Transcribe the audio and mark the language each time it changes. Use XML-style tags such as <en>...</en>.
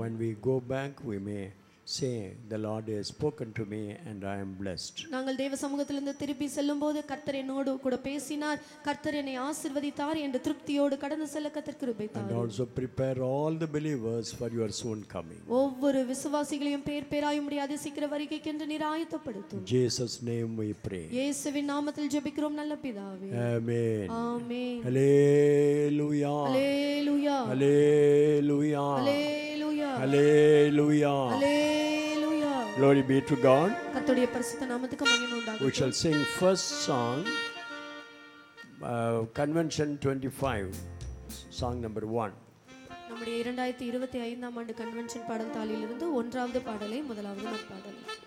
<en>When we go back, we may say the Lord has spoken to me and I am blessed.</en> <ta>நாங்கள் தேவ சமூகத்திலிருந்து திருப்பி செல்லும்போது கர்த்தர் என்னோடு கூட பேசினார், கர்த்தர் என்னை ஆசீர்வதித்தார் என்ற திருப்தியோடு கடந்து செல்ல கர்த்தர் கிருபை தாரும்.</ta> <en>And also prepare all the believers for your soon coming.</en> <ta>ஒவ்வொரு விசுவாசிகளையும் பேர் பேராய் உம்முடைய அதி சீக்கிர வருகைக்கு என்று நீர் ஆயத்தப்படுத்தும்.</ta> <en>Jesus name we pray.</en> <ta>இயேசுவின் நாமத்தில் ஜெபிக்கிறோம் நல்ல பிதாவே.</ta> <en>Amen. Amen. Hallelujah. Hallelujah. Hallelujah. Hallelujah. Hallelujah. Hallelujah. Glory be to God.</en> <ta>கர்த்தருடைய பரிசுத்த நாமத்துக்கு மகிமை உண்டாவதாக.</ta> <en>We shall sing first song, convention 25, song number 1.</en> <ta>நம்முடைய 2025 ஆம் ஆண்டு கன்வென்ஷன் பாடல் தாளிலிருந்து ஒன்றாவது பாடலை முதலாவது பாடல்.</ta>